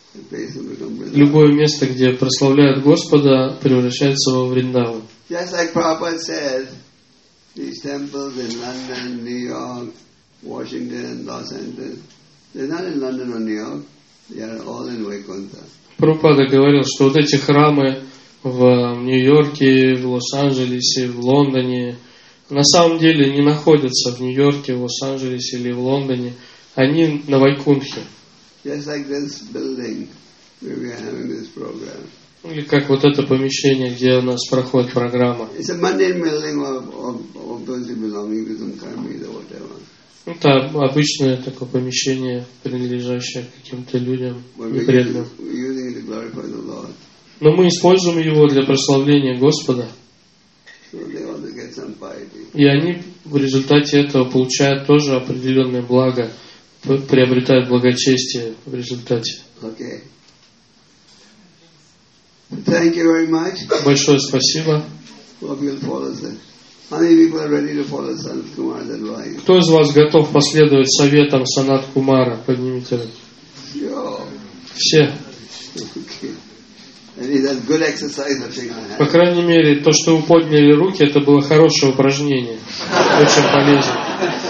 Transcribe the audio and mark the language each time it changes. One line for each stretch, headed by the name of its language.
Russian: Любое место, где прославляют Господа, превращается во Вриндаван.
English: Just like Prabhupada said, these temples in London, New York, Washington, Los Angeles, they're not in London or New York, they are all in Vaikuntha.
Russian: Прабхупада говорил, что вот эти храмы в Нью-Йорке, в Лос-Анджелесе, в Лондоне, на самом деле не находятся в Нью-Йорке, в Лос-Анджелесе или в Лондоне, они на Вайкунхе.
English: Just like this building, where we are having this program.
Russian: Или как вот это помещение, где у нас проходит программа.
English: It's a mundane building or building belonging to some karmis or whatever.
Russian: Это обычное такое помещение, принадлежащее каким-то людям преданным. Но мы используем его для прославления Господа. И они в результате этого получают тоже определенное благо, приобретают благочестие в результате.
English: Thank you very much.
Russian: Большое спасибо.
English: How many people are ready to follow Sanat Kumar's advice?
Russian: Кто из вас готов последовать советам Санат Кумара? Поднимите руки. Все.
English: Okay. It is a good exercise.
Russian: По крайней мере, то, что вы подняли руки, это было хорошее упражнение. Очень полезно.